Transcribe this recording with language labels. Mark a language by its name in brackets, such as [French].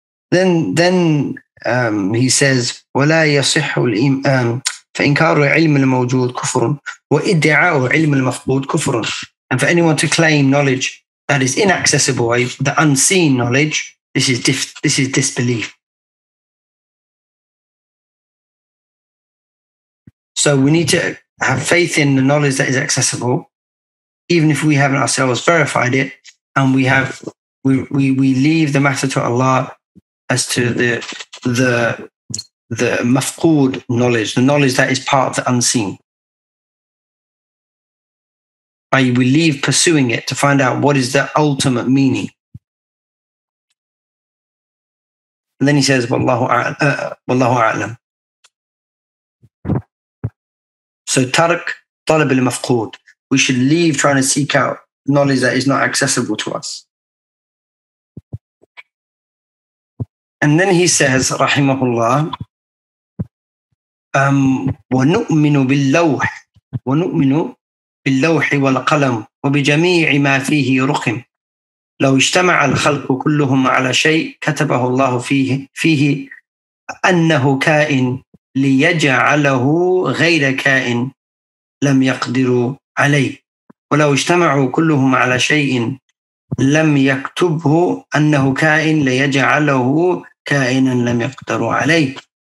[English] Then he says, [Arabic] وَلَا يَصِحُّ فَإِنْكَارُ عِلْمِ الْمَوْجُودِ كُفْرٌ وَإِدْعَاءُ عِلْمِ الْمَفْقُودِ كُفْرٌ. [English] And for anyone to claim knowledge that is inaccessible, the unseen knowledge, this is disbelief. So we need to have faith in the knowledge that is accessible, even if we haven't ourselves verified it, and we leave the matter to Allah as to the mafqood knowledge, the knowledge that is part of the unseen. We leave pursuing it to find out what is the ultimate meaning. And then he says, Wallahu a'lam. So tarq talab al-mafqood, we should leave trying to seek out knowledge that is not accessible to us. And then he says, [Arabic] rahimahullah, وَنُؤْمِنُ بِاللَّوْحِ وَنُؤْمِنُ بِاللَّوْحِ وَالْقَلَمِ وَبِجَمِيعِ مَا فِيهِ رُقِمِ لَوْ اجْتَمَعَ الْخَلْقُ كُلُّهُمْ عَلَى شَيْءٍ كَتَبَهُ اللَّهُ فِيهِ أَنَّهُ كَائِنٌ لِيَجَعَلَهُ غَيْرَ كَائِنٍ لَمْ يَقْدِرُوا عَلَيْهِ وَلَوْ اجْتَمَعُوا كُلُّهُمْ عَلَى شَيْءٍ لَمْ يَكْتُبْهُ أَنَّهُ كَائِنٌ لِيَجَعَلَهُ كَائِنًا لَمْ يَقْدِرُوا عَلَيْهِ